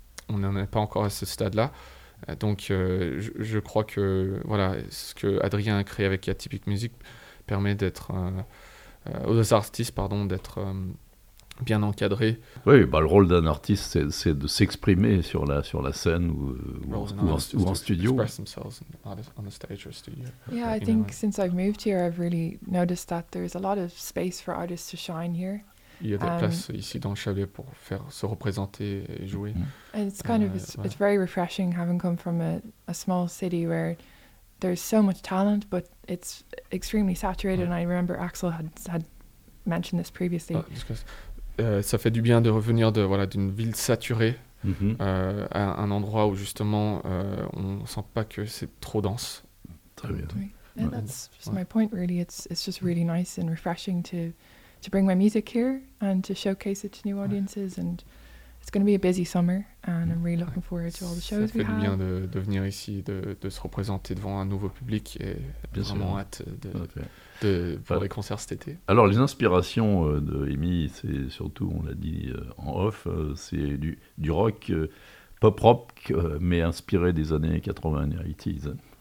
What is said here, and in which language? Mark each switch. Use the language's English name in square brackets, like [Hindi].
[French] On n'en est pas encore à ce stade-là. Donc, je crois que voilà, ce que Adrien a créé avec Atypic Music permet d'être aux artistes, pardon, d'être bien encadrés. Oui, le rôle d'un artiste, c'est de s'exprimer sur la scène ou en studio. [English] Express themselves on the stage or studio. Yeah, I think since I've moved here, I've really noticed that there's a lot of space for artists to shine here. [French] Il y a des places ici dans le chalet pour faire se représenter et jouer. [English] It's very refreshing having come from a small city where there's so much talent, but it's extremely saturated. Ouais. And I remember Axel had mentioned this previously. [French] Ça fait du bien de revenir d'une ville saturée à un endroit où justement on sent pas que c'est trop dense. Très bien. [English] And that's just my point, really. It's just really nice and refreshing to bring my music here and to showcase it to new audiences. Ouais. And it's going to be a busy summer, and I'm really looking forward to all the shows we have. [French] Ça fait du bien de venir ici, de se représenter devant un nouveau public, et bien vraiment sûr. Hâte de, okay. de pour enfin, les concerts cet été. Alors, les inspirations de Amy, c'est surtout, on l'a dit en off, c'est du rock, pop rock, mais inspiré des années 80 et 80s.